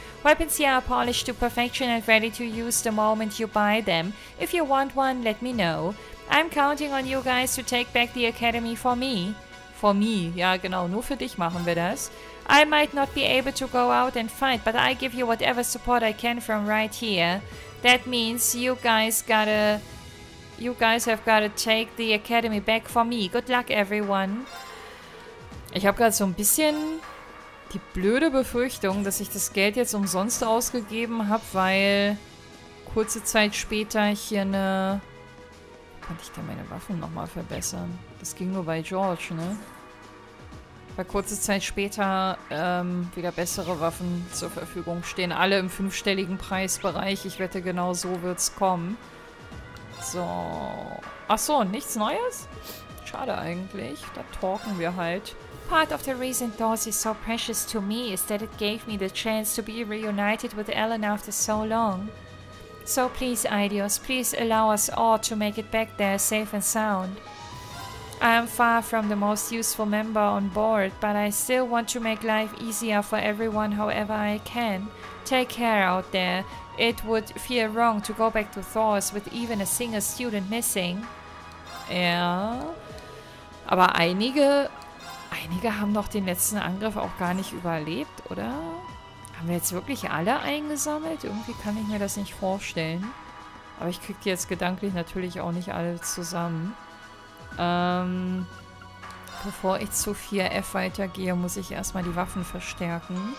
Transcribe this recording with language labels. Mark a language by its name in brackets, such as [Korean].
[English] Weapons here are polished to perfection and ready to use the moment you buy them. If you want one, let me know. I'm counting on you guys to take back the academy for me. For me, [German] ja genau, nur für dich machen wir das. [English] I might not be able to go out and fight, but I give you whatever support I can from right here. That means you guys have gotta take the academy back for me. Good luck, everyone. [German] Ich habe gerade so ein bisschen die blöde Befürchtung, dass ich das Geld jetzt umsonst ausgegeben habe, weil kurze Zeit später ich hier eine... Kann ich da meine Waffen nochmal verbessern? Das ging nur bei George, ne? Weil kurze Zeit später wieder bessere Waffen zur Verfügung stehen. Alle im fünfstelligen Preisbereich. Ich wette, genau so wird's kommen. So. Achso, nichts Neues? Schade eigentlich. Da talken wir halt. [English] Part of the reason Dorsey is so precious to me is that it gave me the chance to be reunited with Ellen after so long. So please, Ideos, please allow us all to make it back there safe and sound. I am far from the most useful member on board, but I still want to make life easier for everyone however I can. Take care out there. It would feel wrong to go back to Thors with even a single student missing. [German] Ja, aber einige haben doch den letzten Angriff auch gar nicht überlebt, oder? Haben wir jetzt wirklich alle eingesammelt? Irgendwie kann ich mir das nicht vorstellen. Aber ich krieg die jetzt gedanklich natürlich auch nicht alle zusammen. Bevor ich zu 4F weitergehe, muss ich erstmal die Waffen verstärken.